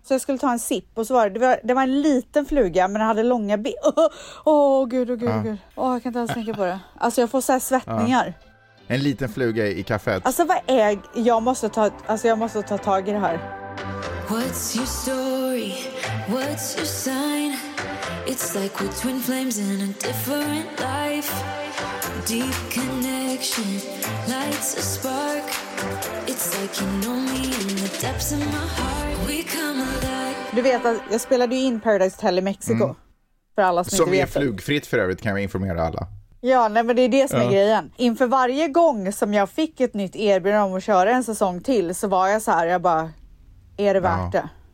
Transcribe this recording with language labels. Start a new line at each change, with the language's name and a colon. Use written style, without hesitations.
Swedish: Så jag skulle ta en sipp och så var det, det var en liten fluga men den hade långa ben. Åh gud. Jag kan inte ens tänka på det. Alltså jag får så här svettningar. En liten fluga i kaféet. Alltså vad är, jag måste ta tag i det här.
English: What's your story? What's your sign? It's like we're twin flames in a different life. Deep connection, lights a spark. It's like you know me in the depths of my heart. We come alive.
Swedish: Du vet att jag spelade ju in Paradise Hotel i Mexiko. För alla som är flugfritt för övrigt kan vi informera alla. Ja, nej, men det är det som är grejen. Inför varje gång som jag fick ett nytt erbjudande om att köra en säsong till så var jag så här, jag bara, är det värt det?